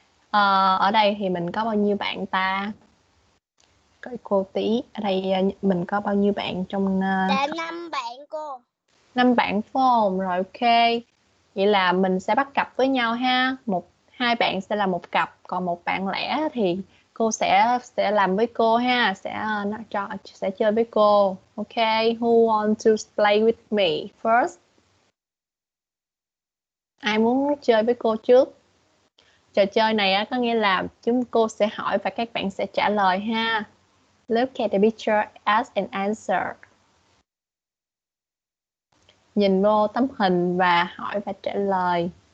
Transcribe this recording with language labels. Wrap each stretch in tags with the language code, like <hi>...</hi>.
<vi>Ở đây thì mình có bao nhiêu bạn ta? Cái cô tí, ở đây mình có bao nhiêu bạn trong... Dạ 5 bạn cô. 5 bạn form, rồi ok. Vậy là mình sẽ bắt cặp với nhau ha. Hai bạn sẽ là một cặp, còn một bạn lẻ thì cô sẽ làm với cô ha, sẽ chơi với cô.</vi> <en>Ok, who wants to play with me first?</en> <vi>Ai muốn chơi với cô trước? Trò chơi này có nghĩa là chúng cô sẽ hỏi và các bạn sẽ trả lời ha.</vi> <en>Look at the picture, ask and answer.</en> <vi>Nhìn vô tấm hình và hỏi và trả lời.</vi>